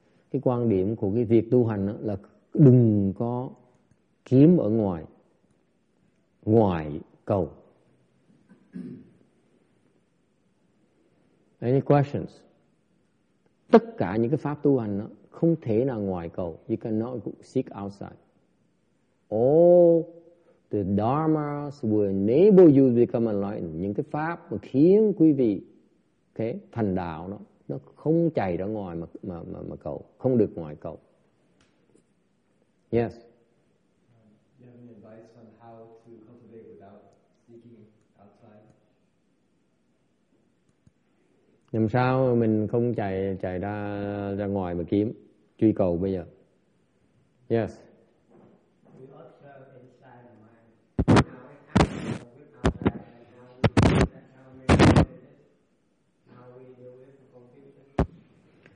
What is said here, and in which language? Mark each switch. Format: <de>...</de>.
<vi>Cái quan điểm của cái việc tu hành là đừng có kiếm ở ngoài, ngoài cầu.</vi> <en>Any questions?</en> <vi>Tất cả những cái pháp tu hành đó không thể nào ngoài cầu.</vi> <en>You cannot seek outside. All the dharmas will enable you to become enlightened.</en> <vi>Những cái pháp mà khiến quý vị okay, thành đạo đó, nó không chạy ra ngoài mà cầu, không được ngoài cầu.</vi> <en>Yes. Do you have any advice on how to cultivate without seeking outside?</en> <vi>Làm sao mình không chạy ra ngoài mà kiếm truy cầu bây giờ?</vi> <en>Yes. We observe inside the mind. Now it happens from outside.</en>